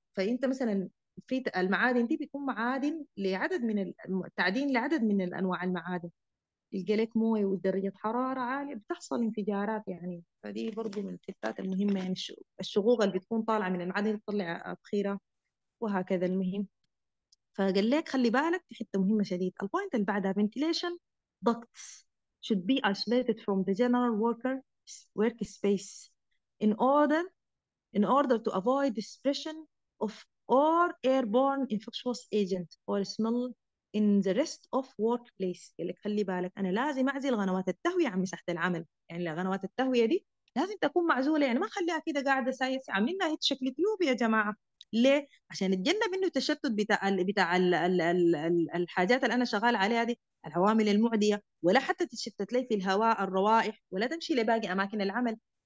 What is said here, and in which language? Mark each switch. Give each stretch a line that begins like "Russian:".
Arabic: فأنت مثلا في المعادن دي بيكون معادن لعدد من التعدين لعدد من أنواع المعادن، تلقى لك موية ودرجة حرارة عالية بتحصل انفجارات. يعني فدي برضو من الحتات المهمة، يعني الشقوق اللي بتكون طالعة من المعادن تطلع بخيرة وهكذا. المهم فقال لك خلي بالك في حتة مهمة شديد، البوينت اللي بعدها
English: ventilation ducts should be isolated from the general worker work space in order to avoid the spread of or airborne infectious agent or smell in the rest of workplace.
Arabic: يقول لك خلي بالك انا لازم اعزل غنوات التهويه عن مساحه العمل، يعني غنوات التهويه دي لازم تكون معزوله، يعني ما خليها كده قاعده سايسه عاملينها هيك شكل كلوب يا جماعه. ليه؟ عشان اتجنب انه التشتت بتاع الـ الـ الـ الـ الحاجات اللي انا شغال عليها دي، العوامل المعديه، ولا حتى تتشتت لي في الهواء الروائح، ولا تمشي لباقي اماكن العمل.